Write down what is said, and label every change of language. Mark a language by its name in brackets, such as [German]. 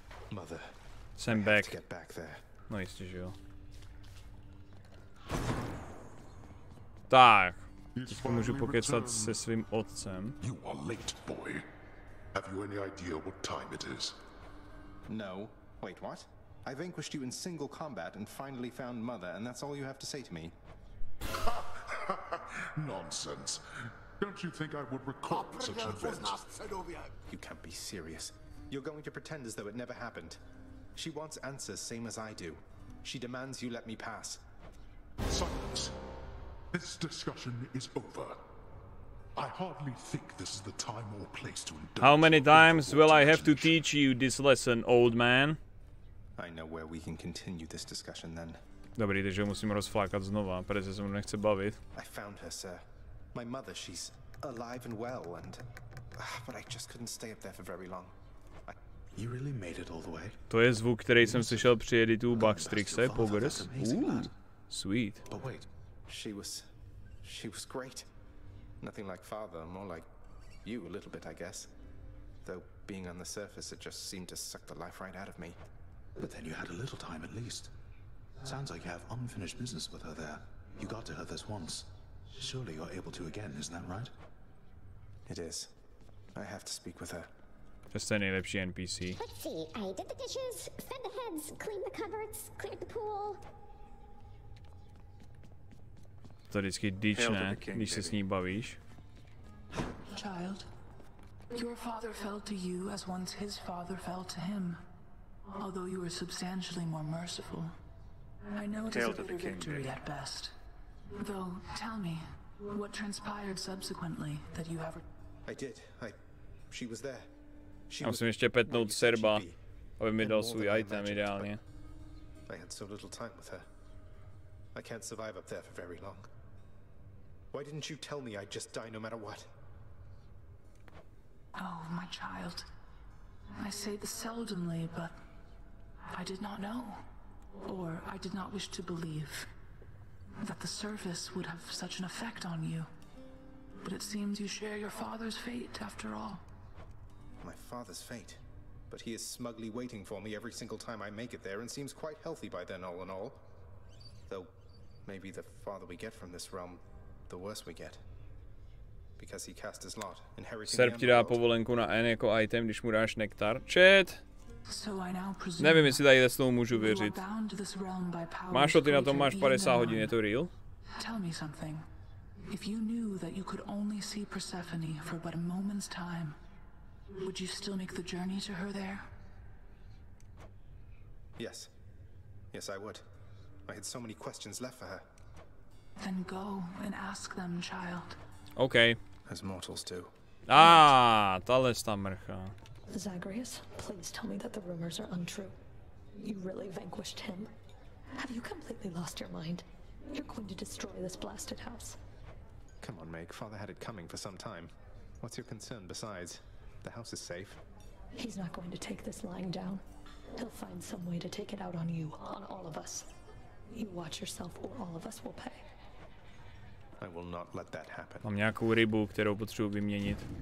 [English] Mother. [Czech] Jsem back. No jistě, že jo. Tak. Teď můžu pokecat se svým otcem. [English] You are late, boy. Have you any idea what time it is? No. Wait, what? I vanquished you in single combat and finally found mother, and that's all you have to say to me. Nonsense. Don't you think I would recall such an event? You can't be serious. You're going to pretend as though it never happened. She wants answers, same as I do. She demands you let me pass. Silence. This discussion is over. I hardly think this is the time or place to indulge. How many times will I have to teach you this lesson, old man? I know where we can continue this discussion then. [Czech] Dobrý, takže musím rozflákat znova, protože se mu nechce bavit. [English] I found her, sir. My mother, she's alive and well, and but I just couldn't stay up there for very long. You really made it all the way. [Czech] To je zvuk, který jsem slyšel při editu Backstrixe, Pogres. [English] Sweet. But wait. She was great. Nothing like father, more like you a little bit, I guess. Though being on the surface, it just seemed to suck the life right out of me. But then you had a little time at least. Sounds like you have unfinished business with her there. You got to her this once. Surely you're able to again, isn't that right? It is. I have to speak with her. Just an ellipsy NPC. Let's see. I did the dishes, fed the heads, cleaned the cupboards, cleared the pool. [Czech] To vždycky dič, ne? Když se s ní bavíš. [English] Child, your father fell to you as once his father fell to him. Although you were substantially more merciful. I know it is a bitter victory at best. Though, tell me, what transpired subsequently that you have... I did. She was there. [Czech] Já musím ještě petnout Serba, aby mi dal svůj item ideálně. [English] I had so little time with her. I can't survive up there for very long. Why didn't you tell me I'd just die no matter what? Oh, my child. I say this seldomly, but I did not know. Or I did not wish to believe that the service would have such an effect on you. But it seems you share your father's fate after all. My father's fate? But he is smugly waiting for me every single time I make it there and seems quite healthy by then, all in all. Though maybe the farther we get from this realm, the worse we get. Because he cast his lot, inheriting [Czech] Serb ti dá povolenku na N jako item, když mu dáš nektar. Čet! Nevím, jestli tady s tomu můžu věřit. Máš to, ty na tom máš 50 hodin, je to real? [English] Tell me something. If you knew that you could only see Persephone for but a moment's time, would you still make the journey to her there? Yes. Yes, I would. I had so many questions left for her. Then go and ask them, child. Okay. As mortals do. [Czech] Tohle je ta mrcha. [English] Zagreus, please tell me that the rumors are untrue. You really vanquished him. Have you completely lost your mind? You're going to destroy this blasted house. Come on, Meg. Father had it coming for some time. What's your concern besides? The house is safe. He's not going to take this lying down. He'll find some way to take it out on you, on all of us. You watch yourself or all of us will pay. I will not let that happen. [Czech] Mám nějakou rybu, kterou potřebuji vyměnit.